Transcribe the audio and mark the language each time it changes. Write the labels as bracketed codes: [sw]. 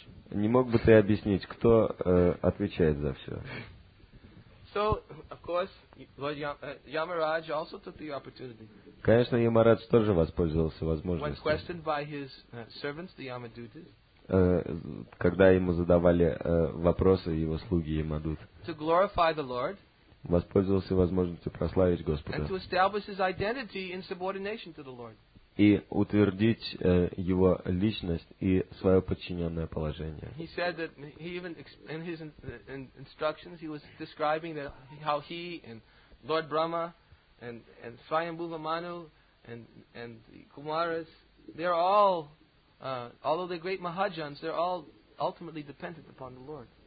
[ru] Не мог бы ты объяснить, кто отвечает за все? [en] So, of course, Lord Yamaraj also took the opportunity. [ru] Конечно, Ямарадж тоже воспользовался возможностью. [en] When questioned by his servants, the Yamadutas. [ru] Когда ему задавали вопросы его слуги Ямадут. [en] To glorify the Lord. [ru] Воспользовался возможностью прославить Господа. [en] And to establish his identity in subordination to the Lord. [ru] И утвердить его личность и свое подчиненное положение. [en] He said that he even in his instructions he was describing that how he and Lord Brahma and Svayambhuva Manu and the Kumaras, they're all although they're great Mahajans, they're all ultimately dependent upon the Lord.